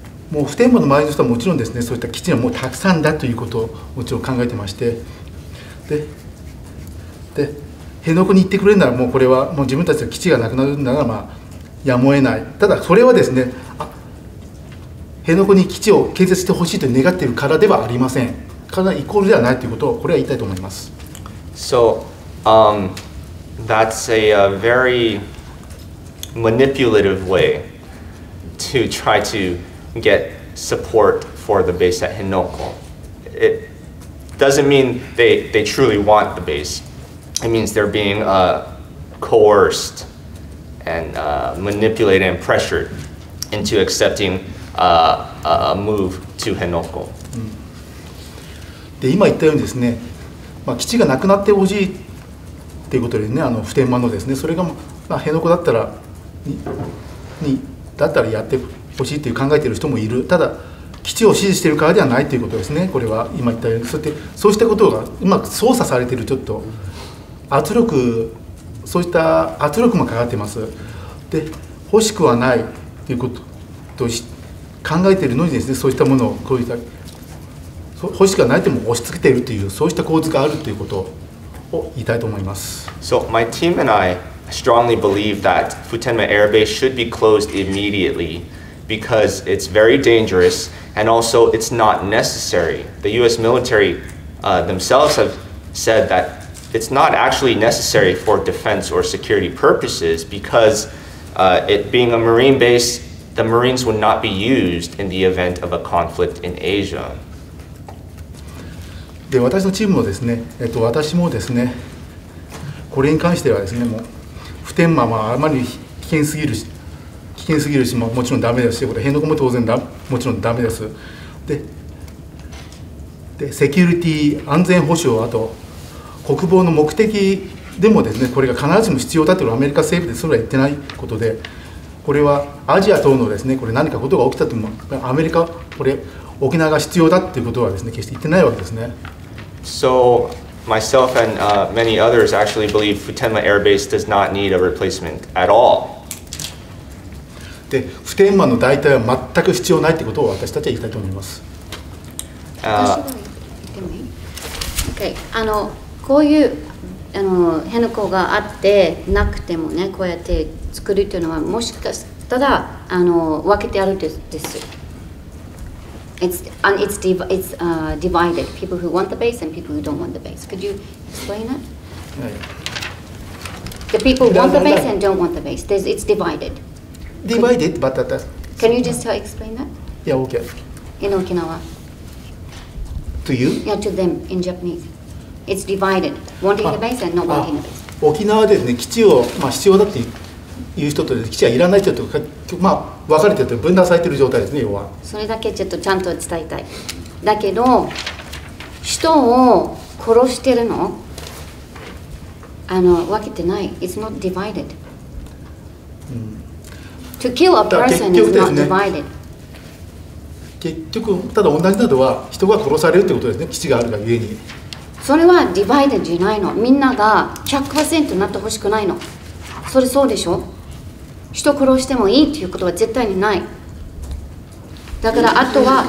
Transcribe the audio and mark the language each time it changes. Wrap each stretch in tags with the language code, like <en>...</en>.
<ja>もう普天間の周りの人はもちろんですね、そういった基地はもうたくさんだということをもちろん考えてまして、で、辺野古に行ってくれるならもうこれはもう自分たちの基地がなくなるならやむを得ない。ただそれはですね、辺野古に基地を建設してほしいと願っているからではありません、からイコールではないということをこれは言いたいと思います。</ja> <en>So that's a very manipulative way to try to get support for the base at Henoko. It doesn't mean they truly want the base. It means they're being coerced and manipulated and pressured into accepting a move to Henoko.</en> <ja>で、今言ったようにですね、基地がなくなってほしいっていうことでね、普天間のですね、それが辺野古だったらにだったらやってほしいという考えている人もいる。ただ基地を支持しているからではないということですね。これは今言ったように、そうしたことがうまく操作されているちょっと。圧力、そういった圧力もかかっています。で、欲しくはないということと考えているのにですね、そういったものをこういった欲しくはないとも押し付けているという、そうした構図があるということを言いたいと思います。</ja> <en>So my team and I strongly believe that Futenma Air Base should be closed immediately because it's very dangerous and also it's not necessary. The US military themselves have said thatIt's not actually necessary for defense or security purposes because it being a marine base, the Marines would not be used in the event of a conflict in Asia.</en> <ja>で、私のチームもですね、私もですね、これに関してはですね、もう普天間はあまり危険すぎるし、もちろんダメですし、これ辺野古も当然だ、もちろんダメです。で、セキュリティ、安全保障、あと国防の目的でもですね、これが必ずしも必要だというのはアメリカ政府でそれは言ってないことで、これはアジア等のですね、これ何かことが起きたとも、アメリカ、これ沖縄が必要だということはですね、決して言ってないわけですね。</ja> <en>So, myself and many others actually believe Futenma Air Base does not need a replacement at all.</en> <ja>で、普天間の代替は全く必要ないということを私たちは言いたいと思います。私も言ってもいい？OK。こういう辺野古があってなくてもね、こうやって作るというのはもしかしたら分けてあるです。</ja> <en>It's divided. People who want the base and people who don't want the base. Could you explain that? The people want the base and don't want the base. It's divided. Divided, but that. Can you just explain that? Yeah, okay. In Okinawa. To you? Yeah, to them in Japanese. It's divided. Wanting the base and not wanting the base.</en> <ja>沖縄ですね、基地を、まあ、必要だって言う人と、基地はいらない人とか、まあ、分かれてて分断されてる状態ですね、要は。それだけちょっとちゃんと伝えたい。だけど、人を殺してるの、あの、分けてない。</ja> <en>It's not divided.、うん、to kill a person is not divided.</en> <ja>結局ただ同じなのは人が殺されるってことですね基地があるがゆえにそれはディバイデンじゃないのみんなが 100% になってほしくないのそれそうでしょ人殺してもいいっていうことは絶対にないだからあとは、</ja>